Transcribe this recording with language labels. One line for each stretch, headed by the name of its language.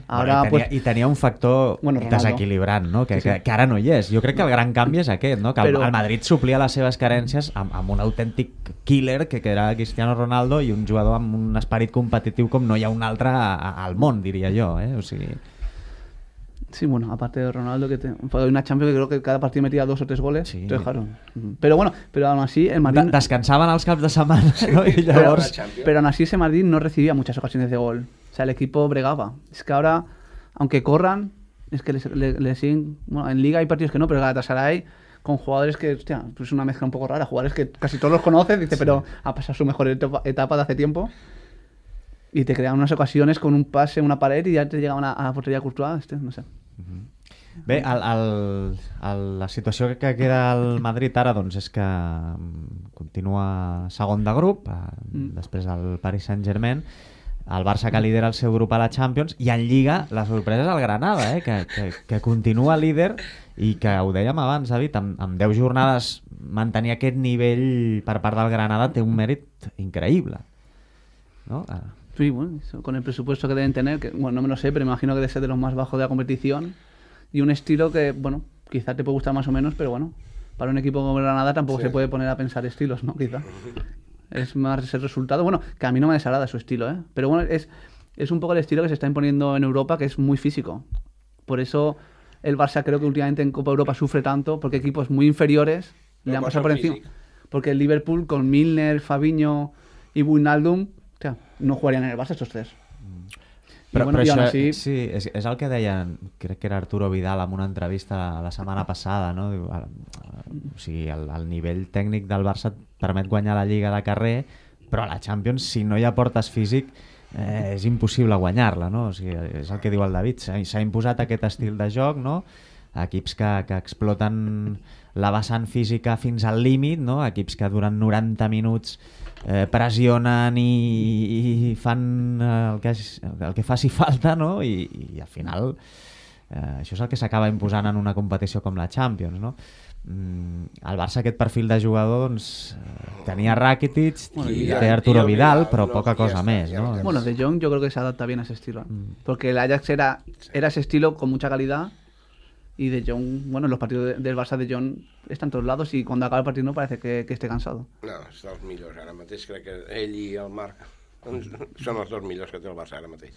Spanish: Ahora, bueno, pues...
Catalan: I tenia un factor, bueno, desequilibrant, no? Que ara no hi és. Jo crec que el gran canvi és aquest, no? Que el Madrid suplia les seves carències amb un autèntic killer, que era Cristiano Ronaldo, i un jugador amb un esperit competitiu com no hi ha un altre al món, diria jo, eh? O sigui...
Spanish: Sí, bueno, aparte de Ronaldo, que fue una Champions que creo que cada partido metía 2 o 3 goles, sí. Entonces, claro, pero bueno, pero aún así el Madrid... Descansaban los
Catalan: caps
Spanish: de semana, ¿no?
Catalan: Sí, llavors...
Spanish: Pero aún así ese Madrid no recibía muchas ocasiones de gol, o sea, el equipo bregaba. Es que ahora, aunque corran, es que le siguen... Bueno, en Liga hay partidos que no, pero Galatasaray con jugadores que, hostia, es pues una mezcla un poco rara, jugadores que casi todos los conoces, dice, sí. Pero ha pasado su mejor etapa de hace tiempo... Y te creaban unas ocasiones con un pase, una pared, y ya te llegaban a la portería Courtois, este, no sé.
Catalan: Bé, la situació que queda al Madrid ara, doncs, és que continua segon de grup, després del Paris Saint-Germain, el Barça que lidera el seu grup a la Champions, i en Lliga la sorpresa és el Granada, que continua líder i que, ho dèiem abans, David, amb 10 jornades mantenir aquest nivell per part del Granada té un mèrit increïble, no?
Spanish: Sí, bueno, con el presupuesto que deben tener, que bueno, no me lo sé, pero me imagino que debe ser de los más bajos de la competición y un estilo que, bueno, quizá te puede gustar más o menos, pero bueno, para un equipo como Granada tampoco se puede poner a pensar estilos, ¿no? Quizá. Es más el resultado, bueno, que a mí no me desagrada su estilo, ¿eh? Pero bueno, es un poco el estilo que se está imponiendo en Europa, que es muy físico. Por eso el Barça creo que últimamente en Copa Europa sufre tanto, porque equipos muy inferiores le han pasado por encima. Porque el Liverpool con Milner, Fabinho y Wijnaldum, o sea, no jugarían en el Barça estos tres.
Catalan: però això, així... sí, és el que deia, crec que era Arturo Vidal en una entrevista la setmana passada, no? O sigui, el nivell tècnic del Barça et permet guanyar la Lliga de carrer, però a la Champions, si no hi aportes físic, és impossible guanyar-la, no? O sigui, és el que diu el David, s'ha imposat aquest estil de joc, no? Equips que exploten la vessant física fins al límit, no? Equips que durant 90 minuts pressionen i fan el que faci falta, no? I al final això és el que s'acaba imposant en una competició com la Champions, no? El Barça, aquest perfil de jugador, doncs, tenia Rakitic, bueno, té Arturo Vidal, però poca cosa més, no? Bueno, De Jong jo crec que s'adapta bé a aquest estil, perquè l'Ajax era aquest estil amb molta qualitat.
Spanish: Y De Jong, bueno, los partidos del Barça de Jong están en todos lados y cuando acaba el partido no parece que esté cansado. No, son los mejores. Ahora
Catalan: mateix
Spanish: creo que él y el Marc son los dos mejores que tiene el Barça ahora mateix.